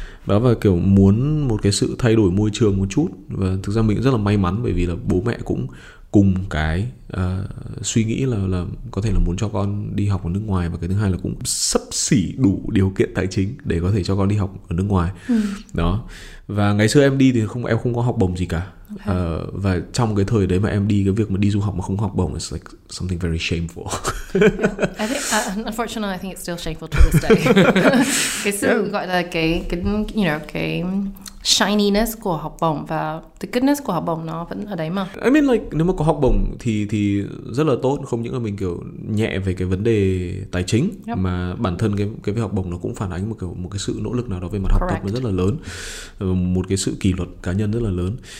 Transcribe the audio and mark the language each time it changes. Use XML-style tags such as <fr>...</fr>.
<vi>Đó, và kiểu muốn một cái sự thay đổi môi trường một chút. Và thực ra mình cũng rất là may mắn bởi vì là bố mẹ cũng cùng cái suy nghĩ là có thể là muốn cho con đi học ở nước ngoài, và cái thứ hai là cũng xấp xỉ đủ điều kiện tài chính để có thể cho con đi học ở nước ngoài. Đó, và ngày xưa em đi thì em không có học bổng gì cả. Và trong cái thời đấy mà em đi, cái việc mà đi du học mà không học bổng</vi> <en>is like something very shameful. I think, unfortunately I think it's still shameful to this day.</en> <vi>Cái sự gọi là cái you know, cái shininess của học bổng và</vi> <en>the goodness</en> <vi>của học bổng nó vẫn ở đấy mà.</vi> <en>I mean like</en> <vi>nếu mà có học bổng thì rất là tốt, không những là mình kiểu nhẹ về cái vấn đề tài chính mà bản thân cái việc học bổng nó cũng phản ánh một cái sự nỗ lực nào đó về mặt học tập rất là lớn, một cái sự kỷ luật cá nhân rất là lớn.</vi>